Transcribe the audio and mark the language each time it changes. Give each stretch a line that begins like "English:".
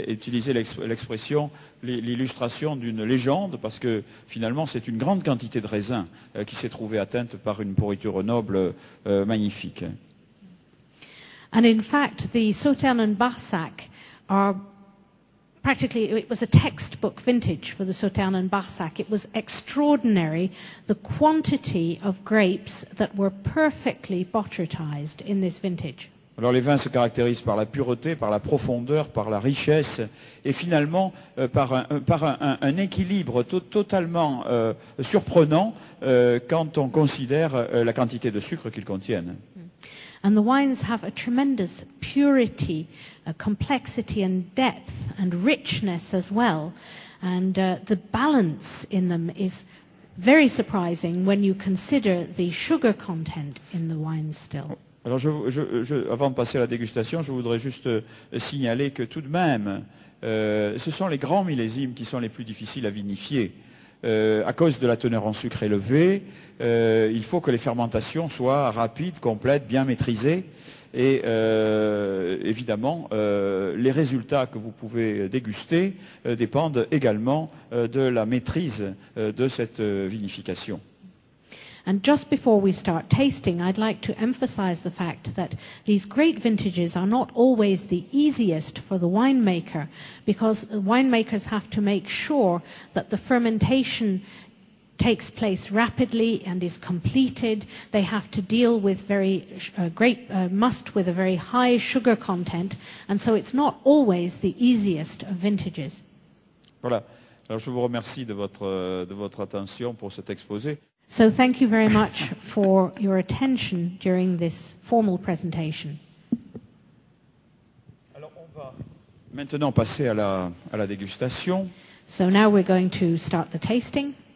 French: J'ai utilisé l'expression, l'illustration d'une légende, parce que finalement c'est une grande quantité de raisins qui s'est trouvée atteinte par une pourriture noble magnifique.
English: And in fact, the Sauternes and Barsac are practically, it was a textbook vintage for the Sauternes and Barsac. It was extraordinary the quantity of grapes that were perfectly botrytized in this vintage.
French: Alors les vins se caractérisent par la pureté, par la profondeur, par la richesse et finalement par un équilibre totalement surprenant quand on considère la quantité de sucre qu'ils contiennent.
English: And the wines have a tremendous purity, a complexity and depth and richness as well, and the balance in them is very surprising when you consider the sugar content in the wine still.
French: Alors avant de passer à la dégustation, je voudrais juste signaler que tout de même, ce sont les grands millésimes qui sont les plus difficiles à vinifier. À cause de la teneur en sucre élevée, il faut que les fermentations soient rapides, complètes, bien maîtrisées. Et évidemment, les résultats que vous pouvez déguster dépendent également de la maîtrise de cette vinification.
English: And just before we start tasting, I'd like to emphasize the fact that these great vintages are not always the easiest for the winemaker, because winemakers have to make sure that the fermentation takes place rapidly and is completed. They have to deal with must with a very high sugar content, and so it's not always the easiest of vintages.
French: Voilà. Alors je vous remercie de votre attention pour cet exposé.
English: So thank you very much for your attention during this formal presentation.
French: Alors on va maintenant passer à la dégustation.
English: So now we're going to start the tasting.